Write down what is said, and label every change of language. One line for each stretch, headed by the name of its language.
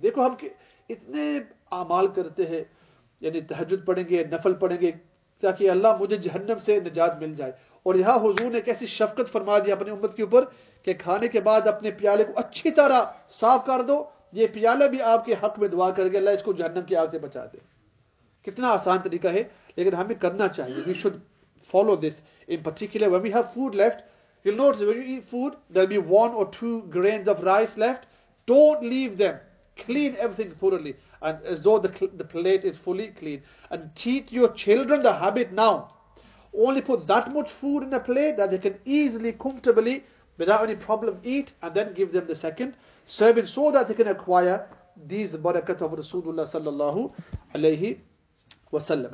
Urdu: دیکھو ہم اتنے اعمال کرتے ہیں, یعنی تہجد پڑھیں گے, نفل پڑھیں گے, تاکہ اللہ مجھے جہنم سے نجات مل جائے. اور یہاں حضور نے کیسی شفقت فرما دی اپنی امت کے اوپر کہ کھانے کے بعد اپنے پیالے کو اچھی طرح صاف کر دو, یہ پیالہ بھی آپ کے حق میں دعا کر کے اللہ اس کو جہنم کی آگ سے بچا دے. کتنا آسان طریقہ ہے, لیکن ہمیں کرنا چاہیے.
English: We should follow this in particular. When we have food left, you know it's when you eat food there be one اور two grains of rice left. Don't leave them. Clean everything thoroughly, and as though the plate is fully clean. And teach your children the habit now. Only put that much food in a plate that they can easily, comfortably, without any problem, eat, and then give them the second serving, so that they can acquire these barakat of Rasulullah sallallahu alayhi wasallam.